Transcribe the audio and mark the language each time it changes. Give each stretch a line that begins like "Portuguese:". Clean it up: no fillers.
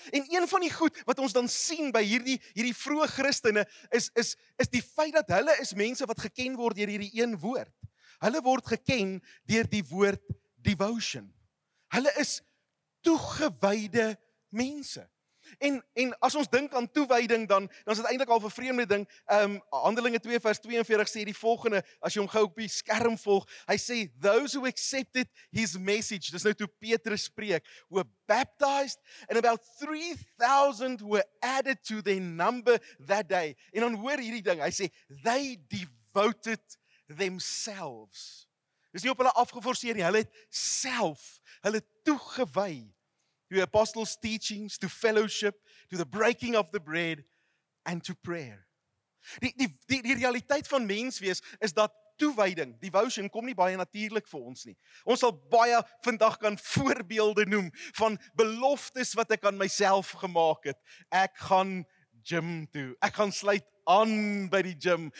Afrikaans: En een van die goed wat ons dan sien by hierdie vroeë Christene is die feit dat hulle is mense wat geken word deur hierdie een woord. Hulle word geken deur die woord devotion. Hulle is toegewyde mense. En as ons dink aan toewyding, dan is dit eintlik al 'n vreemde ding. Handelinge 2 vers 42 sê die volgende, as jy hom gou op die skerm volg, hy sê,
English: those who accepted his message,
Afrikaans: dis nou toe Petrus spreek,
English: were baptized, and about 3,000 were added to their number that day.
Afrikaans: En dan hoor hierdie ding, hy sê,
English: they devoted themselves.
Afrikaans: Dis nie op hulle afgeforceer nie, hulle het self, hulle toegewy.
English: To the apostles' teachings, to fellowship, to the breaking of the bread, and to prayer.
Afrikaans: Die realiteit van menswees is dat toewyding, devotion, kom nie baie natuurlik vir ons nie. Ons sal baie vandag kan voorbeelde noem van beloftes wat ek aan myself gemaak het. Ek gaan gym toe. Ek gaan sluit aan by die gym.